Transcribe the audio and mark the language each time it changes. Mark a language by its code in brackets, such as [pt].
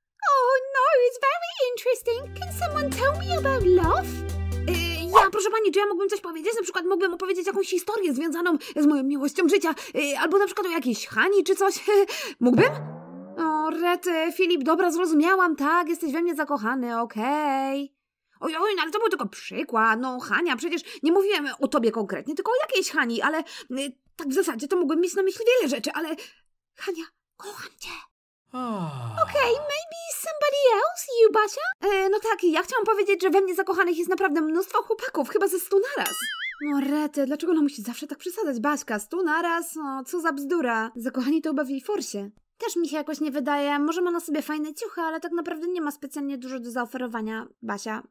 [en] Oh no, it's very interesting. Can someone tell me about love? [pl] Proszę pani, czy ja mógłbym coś powiedzieć? Na przykład mógłbym opowiedzieć jakąś historię związaną z moją miłością życia. Albo na przykład o jakiejś Hani czy coś. Mógłbym? O, Rety, Filip, dobra, zrozumiałam. Tak, jesteś we mnie zakochany, okej. Oj, ale to był tylko przykład. No, Hania, przecież nie mówiłem o tobie konkretnie, tylko o jakiejś Hani, ale... Tak w zasadzie to mogłem mieć na myśli wiele rzeczy, ale... Hania, kocham cię. [en] Okej, maybe somebody else, you, Basia? [pl] No tak, ja chciałam powiedzieć, że we mnie zakochanych jest naprawdę mnóstwo chłopaków, chyba ze 100 naraz. No Rety, dlaczego ona musi zawsze tak przesadzać, Baśka? 100 naraz? No, co za bzdura. Zakochani to chyba w jej forsie. Też mi się jakoś nie wydaje. Może ma na sobie fajne ciuchy, ale tak naprawdę nie ma specjalnie dużo do zaoferowania, Basia.